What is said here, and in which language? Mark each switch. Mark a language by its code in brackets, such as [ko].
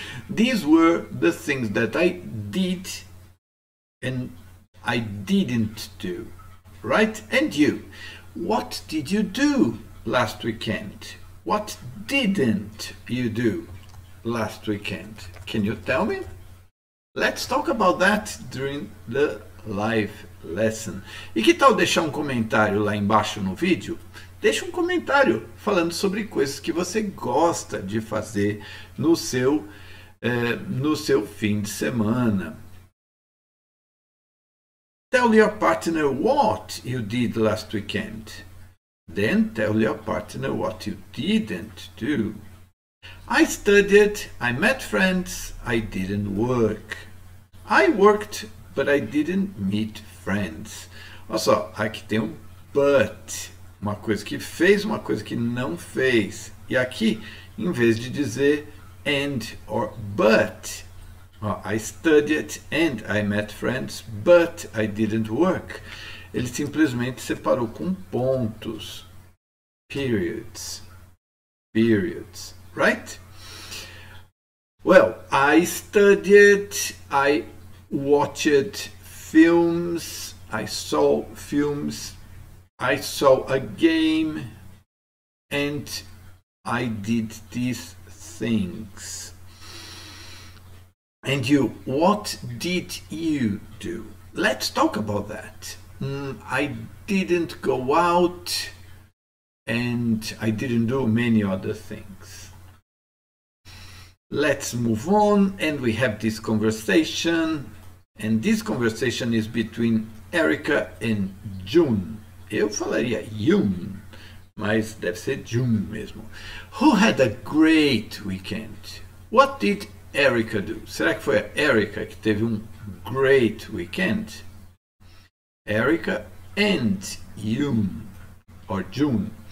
[en] These were the things that I did and I didn't do. Right? And you? What did you do last weekend? What didn't you do last weekend? Can you tell me? Let's talk about that during the live lesson. [pt] E que tal deixar um comentário lá embaixo no vídeo? Deixa um comentário falando sobre coisas que você gosta de fazer no seu fim de semana. [en] Tell your partner what you did last weekend. Then tell your partner what you didn't do. I studied, I met friends, I didn't work. I worked, but I didn't meet friends. [pt] Olha só, aqui tem um but. Uma coisa que fez, uma coisa que não fez. E aqui, em vez de dizer and or but. [en] Ó, I studied and I met friends, but I didn't work. [pt] Ele simplesmente separou com pontos. [en] Periods. Periods. Right? Well, I studied, I watched films, I saw films, I saw a game, and I did these things. And you, what did you do? Let's talk about that. I didn't go out. And I didn't do many other things. Let's move on, and we have this conversation, and this conversation is between Erica and June. [pt] Eu falaria June, mas deve ser June mesmo. [en] Who had a great weekend? What did Erica do? [pt] Será que foi a Erica que teve [en] great weekend? Erica and June, or June.